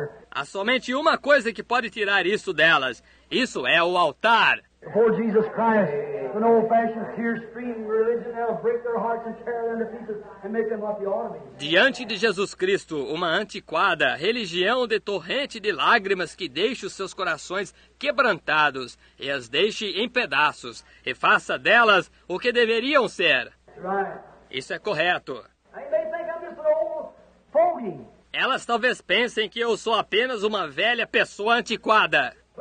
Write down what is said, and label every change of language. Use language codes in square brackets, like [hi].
[pt] Há somente uma coisa que pode tirar isso delas. Isso é o altar. [en] Before Jesus Christ, an old-fashioned, tear-streaming religion that will break their hearts and tear them to pieces and make them like the army. [pt] Diante de Jesus Cristo, uma antiquada religião de torrente de lágrimas que deixe os seus corações quebrantados e as deixe em pedaços e faça delas o que deveriam ser. [en] Right. [pt] Isso é correto. [en] They think I'm just an old fogey. [pt] Elas talvez pensem que eu sou apenas uma velha pessoa antiquada.